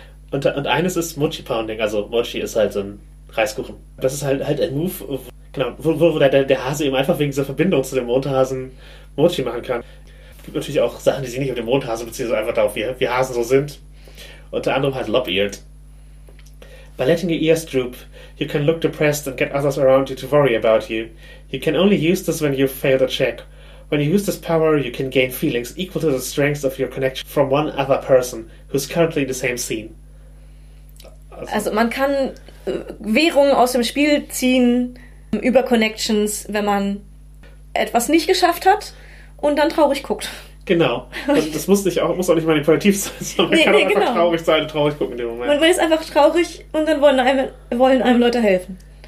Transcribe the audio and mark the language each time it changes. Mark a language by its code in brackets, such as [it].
[de] Und eines ist Mochi Pounding, also Mochi ist halt so ein Reiskuchen. Das ist halt ein Move, wo der Hase eben einfach wegen dieser Verbindung zu dem Mondhasen Mochi machen kann. Es gibt natürlich auch Sachen, die sich nicht auf den Mondhasen beziehen, sondern einfach darauf, wie Hasen so sind. Unter anderem halt Lop-Eared. [en] By letting your ears droop, you can look depressed and get others around you to worry about you. You can only use this when you fail the check. When you use this power, you can gain feelings equal to the strength of your connection from one other person who's currently in the same scene. [de] Also man kann Währung aus dem Spiel ziehen über Connections, wenn man etwas nicht geschafft hat und dann traurig guckt. Genau. Und das muss auch nicht manipulativ sein, sondern man kann auch einfach genau traurig sein und traurig gucken in dem Moment. Man ist einfach traurig und dann wollen einem Leute helfen.